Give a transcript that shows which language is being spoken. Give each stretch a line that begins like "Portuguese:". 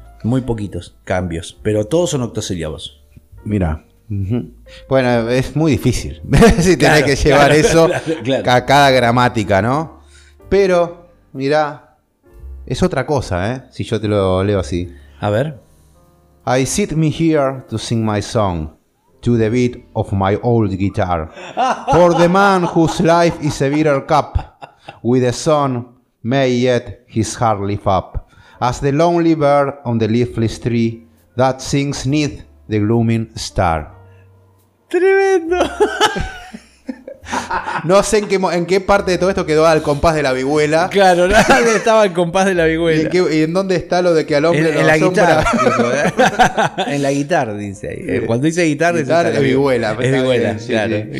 Spanish: Muy poquitos cambios, pero todos son octosílabos. Mira. Bueno, es muy difícil si tenés que llevar eso a cada gramática, ¿no? Pero, mirá, es otra cosa, si yo te lo leo así. A ver.
English: I sit me here to sing my song to the beat of my old guitar for the man whose life is a bitter cup with the sun may yet his heart lift up as the lonely bird on the leafless tree that sings neath the glooming star.
Spanish: ¡Tremendo! No sé en qué parte de todo esto quedó al compás de la vihuela. Claro, nadie estaba al compás de la vihuela. ¿Y en dónde está lo de que al hombre en la guitarra? En la guitarra, dice ahí. Cuando dice guitarra, guitarra dice es vihuela. Es vihuela, claro. Sí, sí.